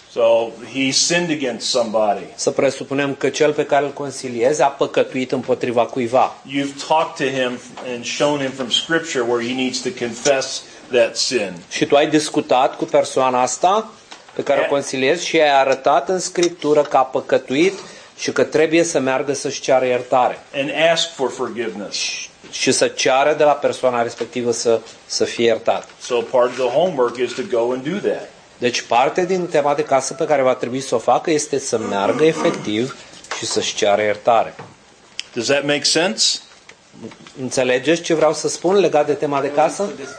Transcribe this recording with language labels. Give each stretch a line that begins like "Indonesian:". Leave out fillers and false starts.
English: So he sinned against somebody.
Romanian: Să presupunem că cel pe care îl consiliezi a păcătuit împotriva cuiva.
English: You've talked to him and shown him from scripture where he needs to confess that sin.
Romanian: Și tu ai discutat cu persoana asta pe care o consiliezi și ai arătat în scriptură că a păcătuit și că trebuie să meargă să-și ceară iertare.
English: And ask for forgiveness.
Romanian: Și să ceară de la persoana respectivă să fie iertat.
English: So part of the homework is to go and do that.
Romanian: Deci parte din tema de casă pe care va trebui să o facă este să meargă efectiv și să-și ceară iertare.
English: Does that make sense?
Romanian: Înțelegeți ce vreau să spun legat de tema de casă?